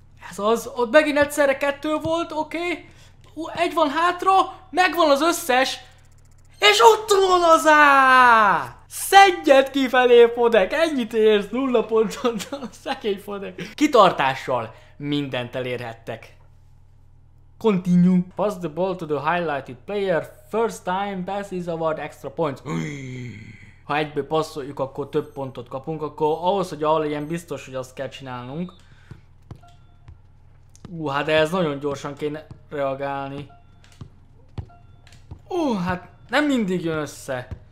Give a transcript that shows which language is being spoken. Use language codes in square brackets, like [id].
[hu] Ez az, ott megint egyszerre kettő volt, oké. Okay. Egy van hátra, megvan az összes. És ott van az á! Szedjed kifelé, Fodek, ennyit érsz, nulla ponton, szekély Fodek. Kitartással mindent elérhettek. [en] Continue. Pass the ball to the highlighted player, first time passes award extra points. [hu] Ha egyből passzoljuk, akkor több pontot kapunk, akkor ahhoz, hogy ahol legyen biztos, hogy azt kell csinálnunk. Hát de ez nagyon gyorsan kéne reagálni. Hát nem mindig jön össze.